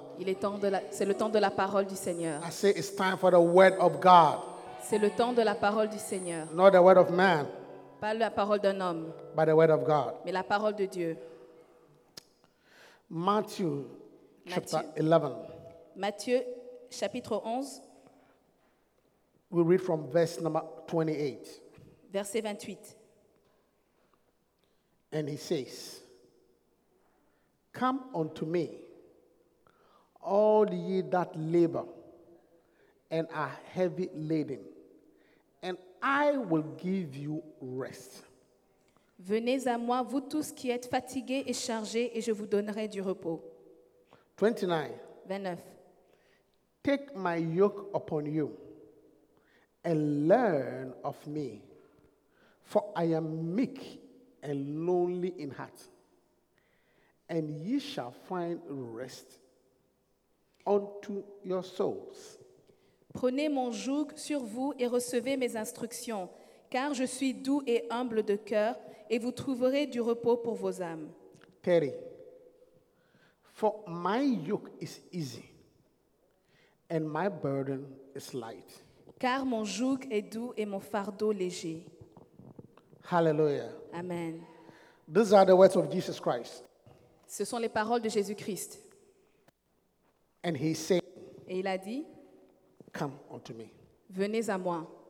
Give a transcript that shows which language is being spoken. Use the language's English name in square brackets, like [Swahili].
[French] Il est temps de la, c'est le temps de la parole du Seigneur. [English] I say it's time for the word of God. [French] C'est le temps de la parole du Seigneur. [English] Not the word of man. [French] Pas la parole d'un homme. [English] By the word of God. [French] Mais la parole de Dieu. [English] Matthieu, chapter 11. [French] Matthieu, chapitre 11. [English] We read from verse number 28. [French] Verset 28. [English] And he says, come unto me, all ye that labor and are heavy laden, and I will give you rest. [French] Venez à moi, vous tous qui êtes fatigués et chargés, et je vous donnerai du repos. [English] 29. Take my yoke upon you and learn of me, for I am meek and lowly in heart, and ye shall find rest unto your souls. [French] Prenez mon joug sur vous et recevez mes instructions, car je suis doux et humble de cœur, et vous trouverez du repos pour vos âmes. [English] 30. For my yoke is easy, and my burden is light. [French] Car mon joug est doux et mon fardeau léger. [English] Hallelujah. [French] Amen. [English] These are the words of Jesus Christ. [French] Ce sont les paroles de Jésus-Christ. [English] And he said, [French] et il a dit, [English] come unto me. [French] Venez à moi.